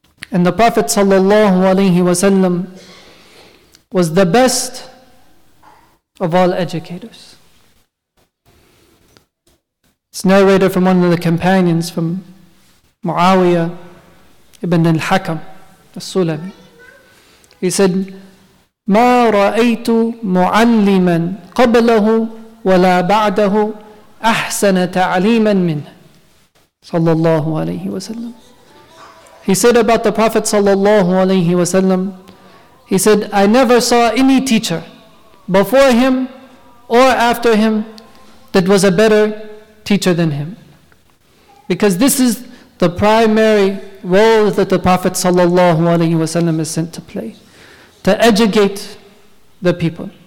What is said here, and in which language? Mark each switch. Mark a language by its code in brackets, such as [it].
[en] And the Prophet sallallahu alaihi wasallam was the best of all educators. It's narrated from one of the companions, from Muawiyah ibn al-Hakam al-Sulami. He said, [ar] ما رأيت معلما قبله ولا بعده أحسن تعليما منه صلى الله عليه وسلم. [en] He said about the Prophet sallallahu alaihi wasallam, he said, I never saw any teacher before him or after him that was a better teacher than him. Because this is the primary role that the Prophet sallallahu alaihi wasallam is sent to play, to educate the people.